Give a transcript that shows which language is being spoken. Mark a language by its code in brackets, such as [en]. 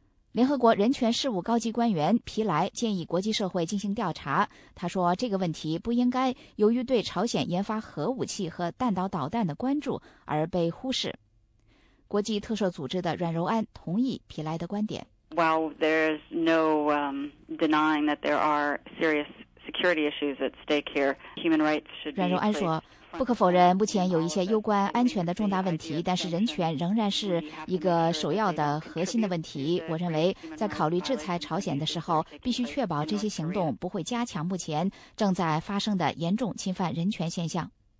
[zh] 联合国人权事务高级官员皮莱建议国际社会进行调查，他说这个问题不应该由于对朝鲜研发核武器和弹道导弹的关注而被忽视。国际特赦组织的阮柔安同意皮莱的观点。 [en] While there's no denying that there are serious security issues at stake here, human rights should be. [zh] 阮柔安说，不可否认，目前有一些攸关安全的重大问题，但是人权仍然是一个首要的核心的问题。我认为，在考虑制裁朝鲜的时候，必须确保这些行动不会加强目前正在发生的严重侵犯人权现象。